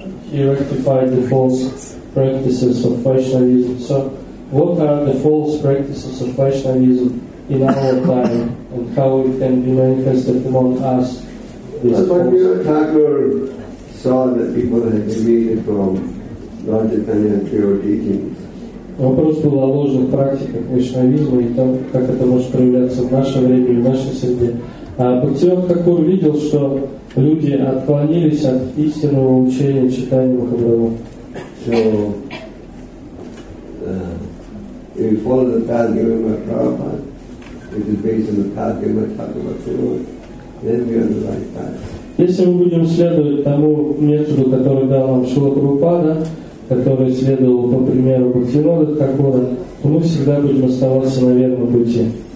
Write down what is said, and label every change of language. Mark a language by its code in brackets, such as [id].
[en] he rectified the false practices of Vaishnavism. So, what are the false practices of Vaishnavism in our time, and how it can be manifested among us? Bhaktivinoda Thakur saw that people had deviated from Lord Chaitanya's pure teachings. [ru] Вопрос был о ложных практиках вайшнавизма и том, как это может проявляться в наше время и в нашей среде. А Бхактивинода Такур увидел, что люди отклонились от истинного учения читания Махабрабху. [en] So, if you follow the path given by Prabhupada, which is based on the path given by Thakur, then we are on the right path. [ru] Если мы будем следовать тому методу, который дал нам Шрила Прабхупада, который следовал по примеру Бхактивинода Такура, то мы всегда будем оставаться на верном пути.